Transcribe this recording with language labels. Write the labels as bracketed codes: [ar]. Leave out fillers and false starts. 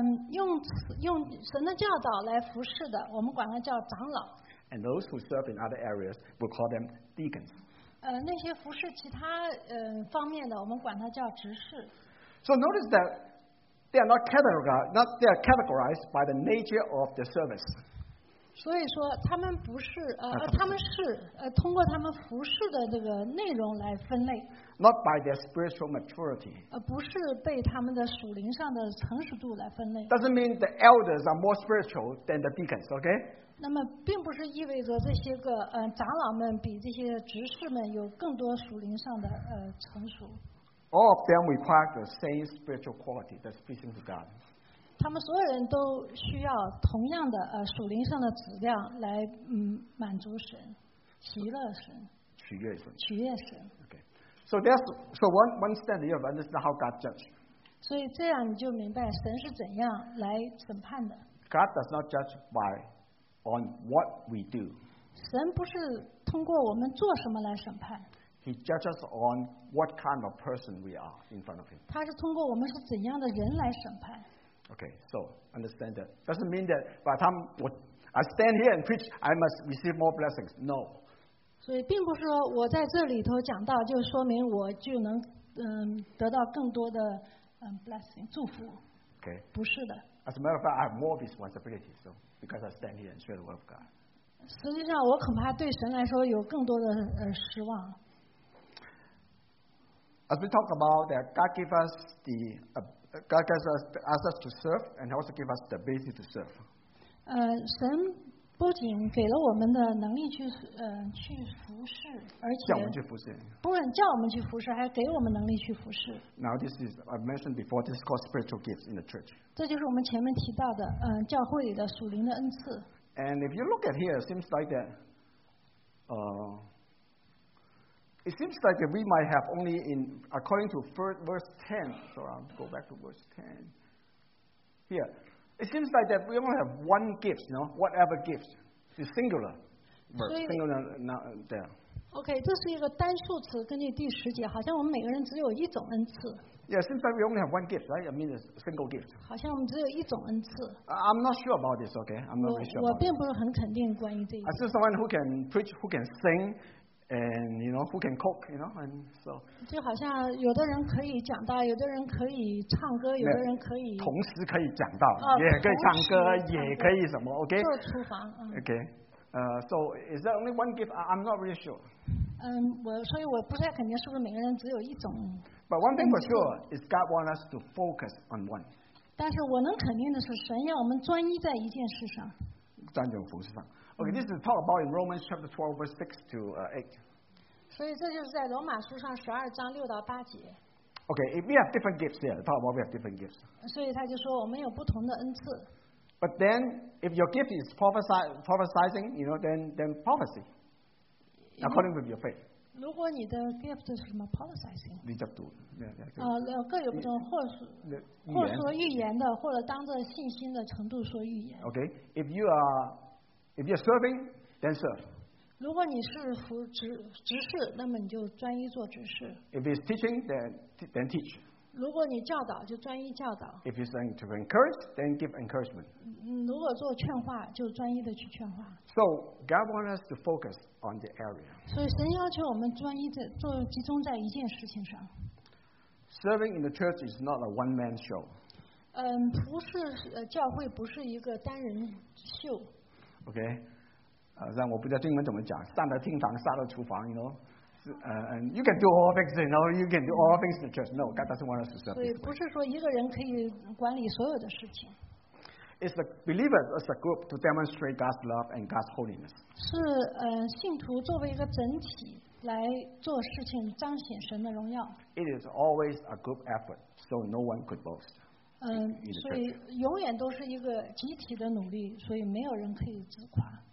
[zh] 用神的教导来服侍的，我们管它叫长老。 [en] And those who serve in other areas, we call them deacons. [zh] 那些服侍其他方面的，我们管它叫执事。 [en] So notice that they are not categorized by the nature of the service. [zh] 所以说他们不是他们是通过他们服侍的这个内容来分类。 [en] Not by their spiritual maturity. [zh] 不是被他们的属灵上的成熟度来分类。 [en] Doesn't mean the elders are more spiritual than the deacons, okay? [zh] 那么并不是意味着这些个长老们比这些执事们有更多属灵上的成熟。 [en] All of them require the same spiritual quality that's pleasing to God. [zh] 他们所有人都需要同样的属灵上的质量来满足神，喜乐神，取悦神，取悦神。 [en] Okay. So that's so one standard you have understood how God judges. [zh] 所以这样你就明白神是怎样来审判的。 [en] God does not judge by on what we do. [zh] 神不是通过我们做什么来审判。 [en] He judges on what kind of person we are in front of him. [zh] 他是通过我们是怎样的人来审判。 [en] Okay, so understand that. Doesn't mean that by the time I stand here and preach, I must receive more blessings. No. [zh] 所以并不是说我在这里头讲道就说明我就能得到更多的blessing, 祝福。 [en] Okay. [zh] 不是的。 [en] As a matter of fact, I have more responsibility, so because I stand here and share the word of God. [zh] 实际上，我恐怕对神来说有更多的失望。 [en] As we talk about that, God gave us the God gives us the assets to serve, and also gave us the ability to serve. [zh] 神不仅给了我们的能力去去服侍，而且叫我们去服侍，不仅叫我们去服侍，还给我们能力去服侍。 [en] Now this is I mentioned before. This is called spiritual gifts in the church. [zh] 这就是我们前面提到的，教会里的属灵的恩赐。 [en] And if you look at here, it seems like that we might have only in according to verse 10. So I'll go back to verse 10. Here. It seems like that we only have one gift, you know, whatever gift. It's singular. [zh] Okay, 这是一个单数词，根据第十节，好像我们每个人只有一种恩赐。 [en] Yeah, it seems like we only have one gift, right? I mean, it's a single gift. [zh] 好像我们只有一种恩赐。 [en] I'm not sure about this, okay? I'm not really sure about [zh] this. 我并不是很肯定关于这一点。 [en] I see someone who can preach, who can sing, and, you know, who can cook, you know, and so. [zh] 就好像有的人可以讲道，有的人可以唱歌，有的人可以。同时可以讲道，也可以唱歌，也可以什么 ,okay? 做厨房。 [en] Okay. So, is there only one gift? I'm not really sure. [zh] 所以我不太肯定是不是每个人只有一种。 [en] But one thing for sure is God wants us to focus on one. [zh] 但是我能肯定的是神要我们专一在一件事上。专注服事上。 [en] Okay, this is talk about in Romans chapter 12, verse 6 to 8. [zh] 所以这就是在罗马书上十二章六到八节。 [en] Okay, we have different gifts here. Talk about we have different gifts. [zh] 所以他就说我们有不同的恩赐。 [en] But then, if your gift is prophesizing, you know, then prophecy, according with your faith. [zh] 如果你的 gift 是什么 prophesizing? 你就读。各有不同，或说预言的，或者当着信心的程度说预言。 [en] Okay, if you're serving, then serve. [zh] 如果你是服执事，那么你就专一做执事。 [en] If it's teaching, then teach. [zh] 如果你教导就专一教导。 [en] If you're saying to encourage, then give encouragement. [zh] 如果做劝化就专一的去劝化。 [en] So God wants us to focus on the area. [zh] 所以神要求我们专一的做集中在一件事情上。 [en] Serving in the church is not a one-man show. [zh] 不是教会不是一个单人秀。 Okay. 让我不知道英文怎么讲，上到厅堂，下到厨房 ，you know。 [en] And you can do all things, you know. You can do all things in the church. No, God doesn't want us to serve. [zh] 对，不是说一个人可以管理所有的事情。 [en] It's the believers as a group to demonstrate God's love and God's holiness. [zh] 是信徒作为一个整体来做事情，彰显神的荣耀。 [en] It is always a group effort, so no one could boast. [zh] 所以永远都是一个集体的努力，所以没有人可以自夸。